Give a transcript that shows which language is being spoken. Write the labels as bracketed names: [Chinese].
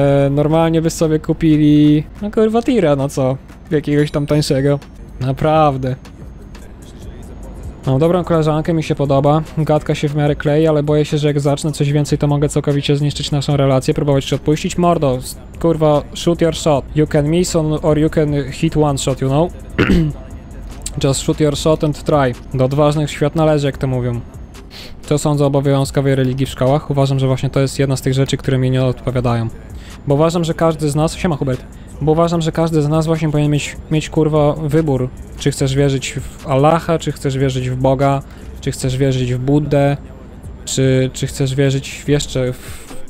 [Polish] Normalnie by sobie kupili... No kurwa, tira, no co? Jakiegoś tam tańszego. Naprawdę. Mam dobrą koleżankę, mi się podoba. Gadka się w miarę klei, ale boję się, że jak zacznę coś więcej, to mogę całkowicie zniszczyć naszą relację, próbować się odpuścić. Mordo, kurwa, [English] shoot your shot. You can miss on, or you can hit one shot, you know? Just shoot your shot and try. [Polish] Do odważnych świat należy, jak to mówią. Co sądzę o obowiązkowej religii w szkołach? Uważam, że właśnie to jest jedna z tych rzeczy, które mi nie odpowiadają. Bo uważam, że każdy z nas... Siema, Hubert. Bo uważam, że każdy z nas właśnie powinien mieć kurwa, wybór. Czy chcesz wierzyć w Allaha, czy chcesz wierzyć w Boga, czy chcesz wierzyć w Buddę, czy chcesz wierzyć jeszcze w...